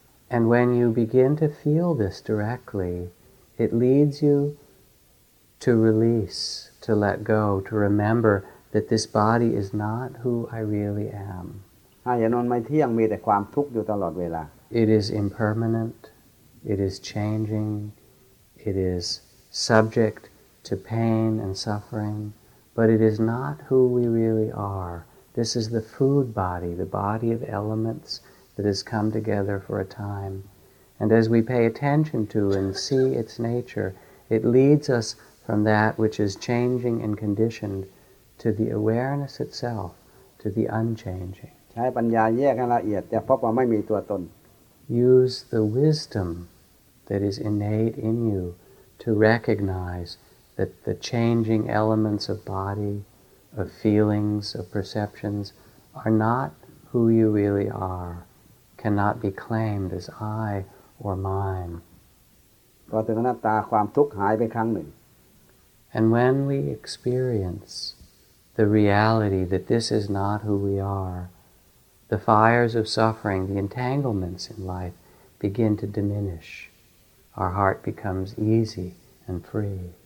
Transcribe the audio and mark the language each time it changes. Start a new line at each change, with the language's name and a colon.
English: And when you begin to feel this directly, it leads you to release, to let go, to remember that this body is not who I really am.
Thai: อย่านอนไม่เที่ยงมีแต่ความทุกข์อยู่ตลอดเวลา
English: It is impermanent it is changing it is subject to pain and suffering but it is not who we really are this is the food body the body of elements that has come together for a time and as we pay attention to and see its nature it leads us from that which is changing and conditioned to the awareness itself to the unchanging
Thai: ใช้ปัญญาแยกให้ละเอียดจะพบว่าไม่มีตัวตน
English: Use the wisdom that is innate in you to recognize that the changing elements of body, of feelings, of perceptions are not who you really are, cannot be claimed as I or mine.
Thai: พอถึงอนัตตาความทุกข์หายไปครั้งหนึ่ง
English: And when we experience the reality that this is not who we are,The fires of suffering, the entanglements in life, begin to diminish. Our heart becomes easy and free.